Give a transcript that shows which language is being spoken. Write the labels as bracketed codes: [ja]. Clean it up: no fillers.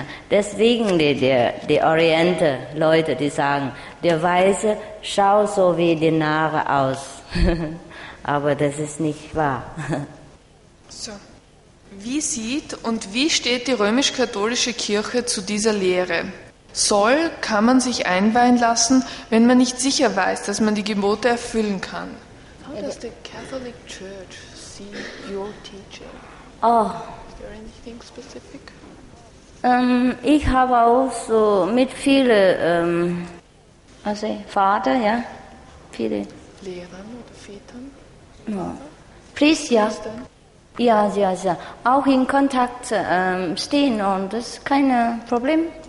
[de] Deswegen die Oriente Leute, die sagen, der Weise schaut so wie die Narre aus. Aber das ist nicht wahr. So. Wie sieht und wie steht die römisch-katholische Kirche zu dieser Lehre? Soll, kann man sich einweihen lassen, wenn man nicht sicher weiß, dass man die Gebote erfüllen kann? [en] How does the Catholic Church see your teaching? Oh. Is there anything specific? [de] Ich habe auch so mit vielen Vater, ja? Viele. Lehrern oder Vätern? Priester, auch in Kontakt stehen und das ist kein Problem.